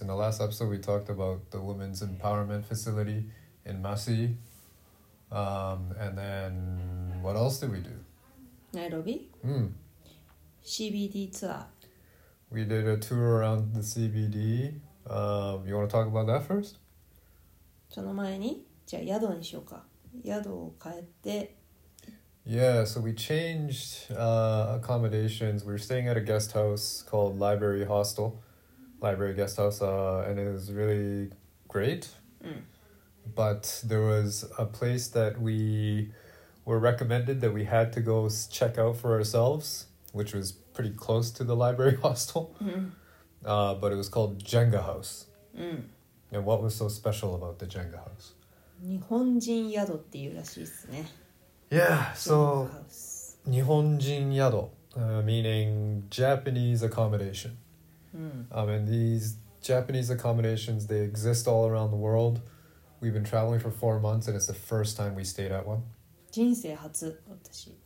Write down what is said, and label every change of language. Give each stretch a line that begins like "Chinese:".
English: In the last episode, we talked about the Women's Empowerment Facility in Masi. And then, what else did we do? Nairobi? CBD tour. We did a tour around the CBD. You want to talk about that first?
Japanese: その前に、じゃあ宿にしようか。宿を変えて。
English: Yeah, so we changed accommodations. We're staying at a guest house called Library Hostel. Library guest house, and it was really great. But there was a place that we were recommended that we had to go check out for ourselves, which was pretty close to the Library Hostel. But it was called Jenga House. And what was so special about the Jenga House?
Japanese: 日本人宿っていうらしいですね。
English: Yeah, so 日本人宿 meaning Japanese accommodation. And these Japanese accommodations, they exist all around the world. We've been traveling for 4 months and it's the first time we stayed at one.
Japanese: 人生初、私。